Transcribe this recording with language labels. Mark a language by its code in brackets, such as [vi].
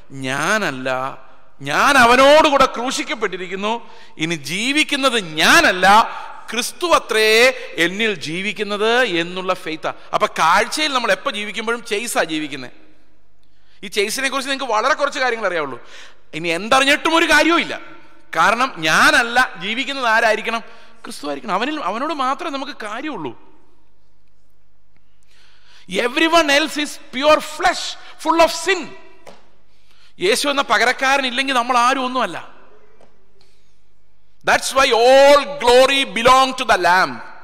[ml] ഞാനല്ല, ഞാൻ അവനോടുകൂടെ ക്രൂശിക്കപ്പെട്ടിരിക്കുന്നു, ഇനി ജീവിക്കുന്നത് ഞാനല്ല, ക്രിസ്തു അത്രേ എന്നിൽ ജീവിക്കുന്നത് എന്നുള്ള ഫെയ്ത്താണ്. അപ്പൊ കാഴ്ചയിൽ നമ്മൾ എപ്പോൾ ജീവിക്കുമ്പോഴും ചെയ്സാ ജീവിക്കുന്നത്. ഈ ചെയ്സിനെ കുറിച്ച് നിങ്ങൾക്ക് വളരെ കുറച്ച് കാര്യങ്ങൾ അറിയാവുള്ളൂ. ഇനി എന്തറിഞ്ഞിട്ടും ഒരു കാര്യവുമില്ല, കാരണം ഞാനല്ല ജീവിക്കുന്നത്, ആരായിരിക്കണം? ക്രിസ്തു ആയിരിക്കണം. അവനിൽ അവനോട് മാത്രമേ നമുക്ക് കാര്യമുള്ളൂ. [en] Everyone else is pure flesh, full of sin. [ml] യേശു എന്ന പകരക്കാരൻ ഇല്ലെങ്കിൽ നമ്മൾ ആരും ഒന്നുമല്ല. [en] That's why all glory belongs to the Lamb.